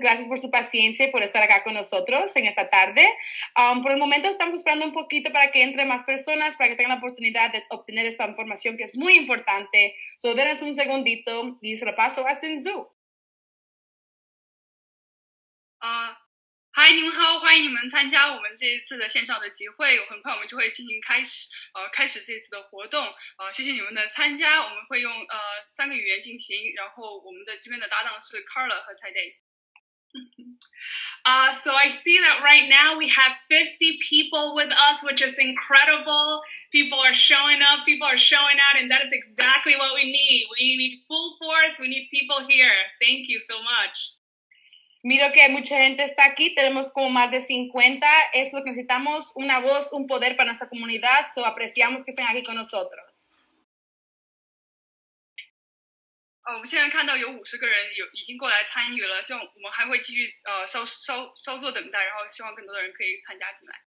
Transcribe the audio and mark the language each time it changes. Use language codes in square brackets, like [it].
[es] Gracias por su paciencia y por estar acá con nosotros en esta tarde. Por el momento estamos esperando un poquito para que entre más personas, para que tengan la oportunidad de obtener esta información que es muy importante. So denos un segundito y se lo paso a Sinzu. [zh] Hi, 您好，欢迎你们参加我们这一次的线上的集会。很快我们就会进行开始这次的活动。谢谢你们的参加。我们会用三个语言进行，然后我们的这边的搭档是 Carla 和 Tade。 [en] So I see that right now we have 50 people with us, which is incredible. People are showing up, people are showing out, and that is exactly what we need. We need full force. We need people here. Thank you so much. [es] Miro que mucha gente está aquí, tenemos como más de 50, es lo que necesitamos, una voz, un poder para nuestra comunidad, so apreciamos que estén aquí con nosotros. [zh] Oh, 我们现在看到有50个人已经过来参与了，希望我们还会继续稍作等待，然后希望更多的人可以参加进来。